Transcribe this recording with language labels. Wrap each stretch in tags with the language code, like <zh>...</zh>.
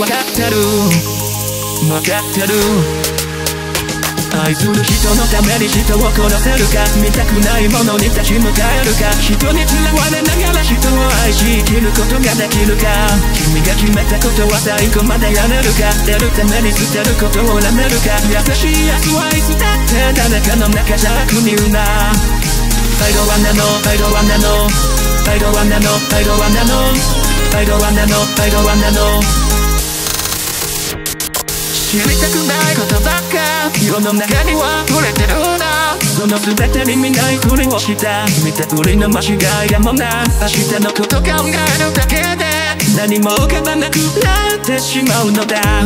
<ja>分かってる、分かってる。愛する人のために人を殺せるか、見たくないものに立ち向かえるか、人に嫌われながら人を愛し生きることができるか、君が決めたことは最後までやれるか、出るために捨てることを恨めるか、優しい奴はいつだって誰かの中じゃ悪に言うな。</ja> <en>I don't wanna know, I don't wanna know, I don't wanna know, I don't wanna know, I don't wanna know, I don't wanna know。</en> <ja>知りたくないことばっか、世の中には溢れてるんだ。その全てに見ないふりをした、見たふりの間違いやもな。明日のこと考えるだけで何も浮かばなくなってしまうのだ。</ja>